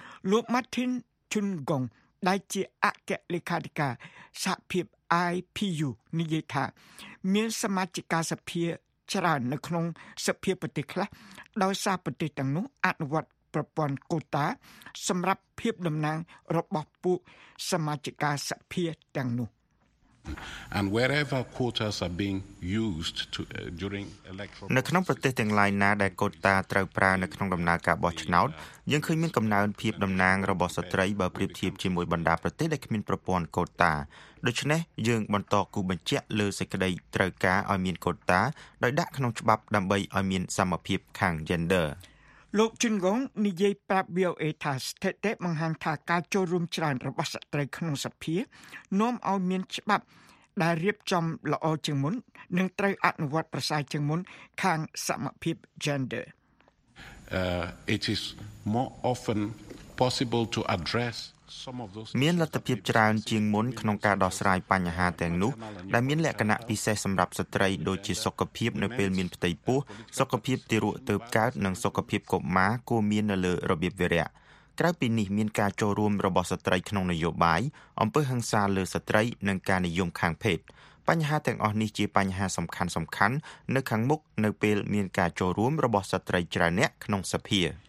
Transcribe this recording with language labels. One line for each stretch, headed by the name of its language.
Khmer: លោក Martin Chungong ដែលជាអគ្គលេខាធិការសភា IPU និយាយថាមានសមាជិកាសភាច្រើននៅក្នុងសភាប្រទេសខ្លះដោយសារប្រទេសទាំងនោះអនុវត្តប្រព័ន្ធកូតាសម្រាប់ភាពតំណាងរបស់ពួកសមាជិកាសភាទាំងនោះ
English: And wherever quotas are being used to, during electoral
Khmer: នៅក្នុងប្រទេសទាំងឡាយណាដែលកូតាត្រូវប្រើនៅក្នុងដំណើរការបោះឆ្នោតយើងឃើញមានកំណើនភាពតំណាងរបស់ស្ត្រីបើប្រៀបធៀបជាមួយបណ្ដាប្រទេសដែលគ្មានប្រព័ន្ធកូតាដូច្នេះយើងបន្តគូបញ្ជាក់លើសេចក្តីត្រូវការឲ្យមានកូតាដោយដាក់ក្នុងច្បាប់ដើម្បីឲ្យមានសមភាពខាង gender លោកជុនកុងនិយាយប្រាប់ VOA ថាស្ថិតិបង្ហាញថាការចូលរួមច្រើនរបស់ស្ត្រីក្នុងសភានាំឲ្យមានច្បាប់ដែលរៀបចំល្អជាងមុននិងត្រូវអនុវត្តប្រសើរជាងមុនខាងសមភាព gender
English: It is more often possible to address
Khmer: មានលទ្ធភាពច្រើនជាងមុនក្នុងការដោះស្រាយបញ្ហាទាំងនោះដែលមានលក្ខណៈពិសេសសម្រាប់ស្ត្រីដូចជាសុខភាពនៅពេលមានផ្ទៃពោះសុខភាពទារកទើបកើតនិងសុខភាពកុមារគួរមាននៅលើរបៀបវារៈក្រៅពីនេះមានការចូលរួមរបស់ស្ត្រីក្នុងនយោបាយអំពើហិង្សាលើស្ត្រីនិងការនិយមខាងភេទបញ្ហាទាំងអស់នេះជាបញ្ហាសំខាន់សំខាន់នៅខាងមុខនៅពេលមានការចូលរួមរបស់ស្ត្រីច្រើនក្នុងសភា